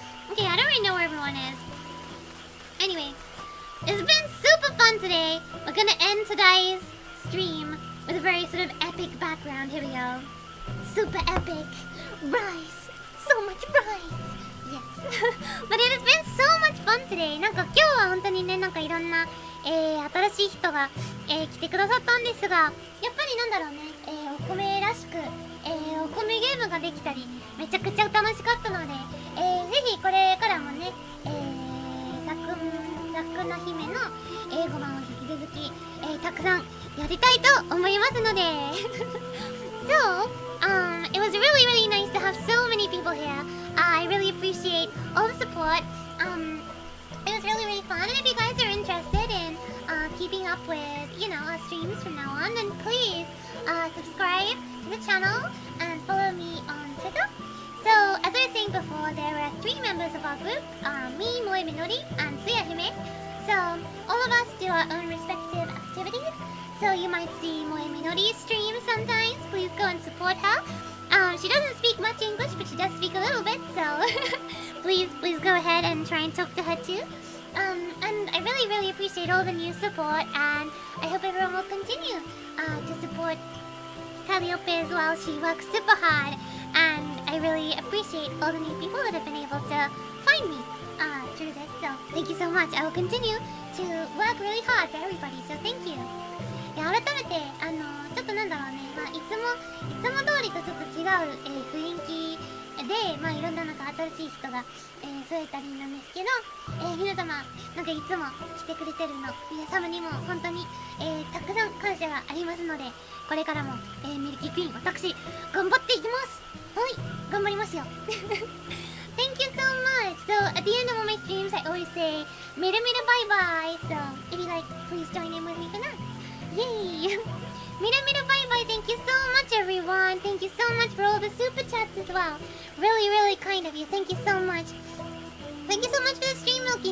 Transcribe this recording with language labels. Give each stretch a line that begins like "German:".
English: Okay, I don't really know where everyone is. Anyway, it's been super fun today. We're gonna end today's stream with a very sort of epic background. Here we go. Super epic. Rice. So much rice. But it has been so much fun today!
Japanese: なんか今日は本当にね、なんかいろんな、新しい人が、来てくださったんですが、やっぱりなんだろうね、お米らしく、お米ゲームができたり、めちゃくちゃ楽しかったので、ぜひこれからもね、さくな姫の英語版を引き続き、たくさんやりたいと思いますので。
English: So, it was really, really nice to have so many people here. I really appreciate all the support. It was really, really fun. And if you guys are interested in keeping up with, you know, our streams from now on, then please subscribe to the channel and follow me on Twitter. So, as I was saying before, there are three members of our group, me, Moe Minori, and Tsuyahime. So, all of us do our own respective activities. So, you might see Moe Minori's stream sometimes. Please go and support her. She doesn't speak much English, but she does speak a little bit, so please go ahead and try and talk to her too. And I really, really appreciate all the new support, and I hope everyone will continue to support Calliope as well. She works super hard, and I really appreciate all the new people that have been able to find me through this. So thank you so much. I will continue to work really hard for everybody, so thank you.
Japanese: 改めて、ちょっとなんだろうね、まあ、いつも通りとちょっと違う、雰囲気で、まあ、いろんななんか新しい人が、増えたりなんですけど、皆様、なんかいつも来てくれてるの、皆様にも本当に、たくさん感謝がありますので、これからも、ミルキークイーン、私、頑張っていきます！はい、頑張りますよ。
English: Thank you so much! So, at the end of all my streams, I always say,
Japanese: みるみるバイバイ
English: So, if you like, please join in with me tonight! Yay! Miru Miru Bye Bye! Thank you so much, everyone! Thank you so much for all the super chats as well! Really, really kind of you! Thank you so much! Thank you so much for the stream, Milky!